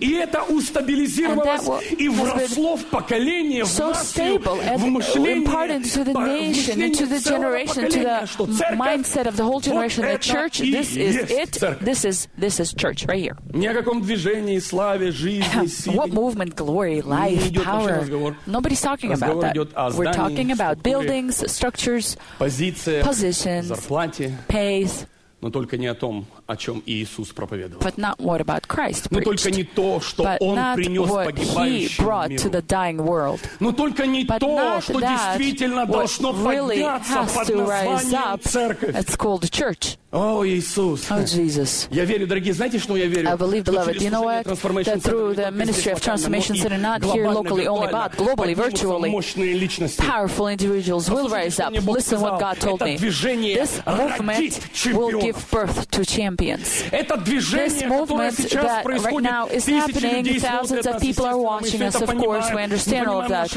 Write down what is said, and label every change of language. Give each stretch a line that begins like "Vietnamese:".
Russian: И это устабилизировалось и вросло в поколение.
English: So stable and imparted to the nation, into the generation, to the mindset of the whole generation, the church, this is it, this is church, right here.
Russian: Ни о каком движении, славе, жизни, силе.
English: What movement, glory, life, power? Nobody's talking about that. We're talking about buildings, structures, positions, pays.
Russian: Но только не о том, о чем Иисус проповедовал.
English: But not what about Christ preached.
Russian: Но только не то, что
English: But
Russian: Он принес погибающему миру. Но только не
English: But
Russian: то, что действительно должно
English: really
Russian: подняться под названием церковь.
English: It's called church.
Russian: О, Иисус!
English: Oh, Jesus.
Russian: Я верю, дорогие, знаете, что я верю?
English: I believe, beloved, you know what? That through the ministry of Transformation Center, not here locally only, but globally, virtually, powerful individuals will rise up. Listen what God told me. This movement will give birth to champions. This movement that right now is happening, thousands of people are watching us, of course, we understand all of that.